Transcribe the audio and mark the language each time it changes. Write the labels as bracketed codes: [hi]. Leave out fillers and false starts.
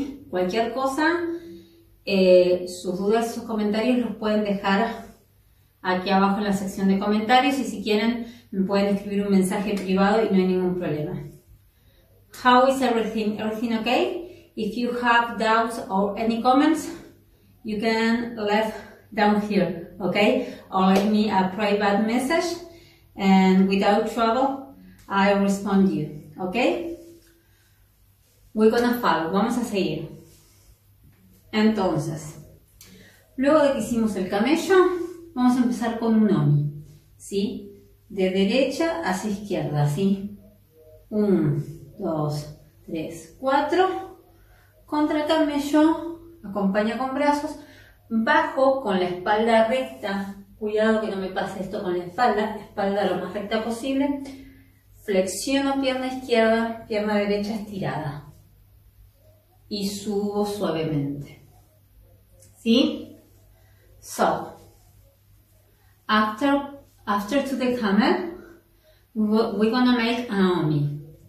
[es] Cualquier cosa, sus dudas, sus comentarios los pueden dejar aquí abajo en la sección de comentarios y si quieren me pueden escribir un mensaje privado y no hay ningún problema. [en] How is everything? Everything okay? If you have doubts or any comments, you can leave down here, okay? Or leave me a private message and without trouble I respond you, okay? We're gonna follow, [es] vamos a seguir. Entonces, luego de que hicimos el camello, vamos a empezar con un omi, ¿sí? De derecha hacia izquierda, ¿sí? 1, 2, 3, 4, contra el camello, acompaña con brazos, bajo con la espalda recta, cuidado que no me pase esto con la espalda lo más recta posible, flexiono pierna izquierda, pierna derecha estirada y subo suavemente. ¿Sí? [en] So, after to the camel, we're gonna make an omi.